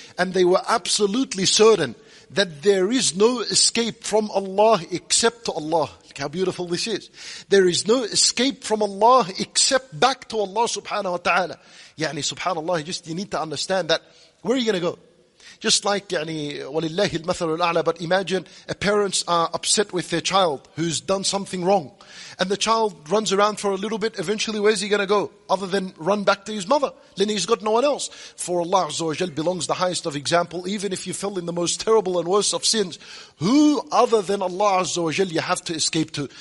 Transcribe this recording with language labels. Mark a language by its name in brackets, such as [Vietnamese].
[English] And they were absolutely certain that there is no escape from Allah except to Allah. Look how beautiful this is. There is no escape from Allah except back to Allah subhanahu wa ta'ala. [Arabic] يعني سبحان الله, [English] just you need to understand that. Where are you going to go? Just like, [Arabic] يعني, وَلِلَّهِ الْمَثَلُ الْأَعْلَى. [English] But imagine a parents are upset with their child who's done something wrong. And the child runs around for a little bit. Eventually, where's he going to go? Other than run back to his mother. Then he's got no one else. For Allah Azza wa Jal belongs the highest of example. Even if you fell in the most terrible and worst of sins, who other than Allah Azza wa Jal you have to escape to?